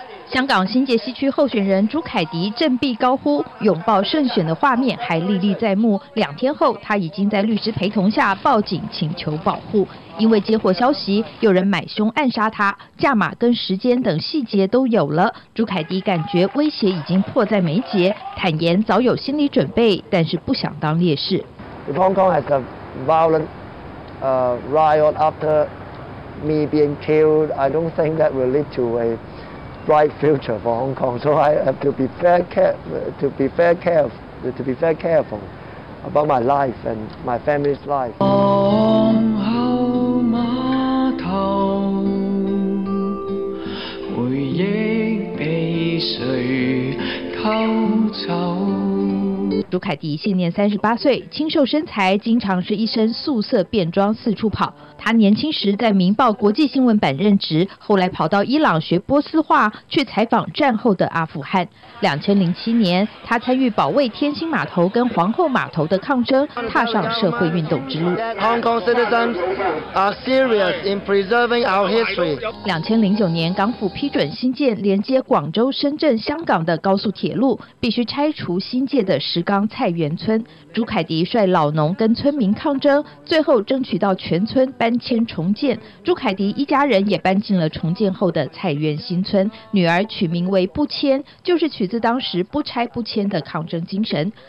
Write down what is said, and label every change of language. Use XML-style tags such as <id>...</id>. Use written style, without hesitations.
<zh>香港新杰西区候选人朱凯迪振臂高呼拥抱胜选的画面还历历在目，两天后他已经在律师陪同下报警请求保护，因为接获消息有人买凶暗杀他，价码跟时间等细节都有了，朱凯迪感觉威胁已经迫在眉睫，坦言早有心理准备，但是不想当烈士。</zh> <en>If Hong Kong has a violent riot after me being killed, I don't think that will lead to a bright future for Hong Kong. So I have to be very careful about my life and my family's life.</en> <zh>皇后码头，回忆被谁偷走？朱凯迪现年38岁，清瘦身材，经常是一身素色便装四处跑。他年轻时在《明报》国际新闻版任职，后来跑到伊朗学波斯话，去采访战后的阿富汗。 2007年，他参与保卫天星码头跟皇后码头的抗争，踏上社会运动之路。</zh> <en>Hong Kong citizens are serious in preserving our history.</en> <zh>2009年，港府批准新建连接广州、深圳、香港的高速铁路，必须拆除新建的石冈菜园村，朱凯迪率老农跟村民抗争，最后争取到全村搬迁重建。朱凯迪一家人也搬进了重建后的菜园新村，女儿取名为不迁，就是取自当时不拆不迁的抗争精神。</zh>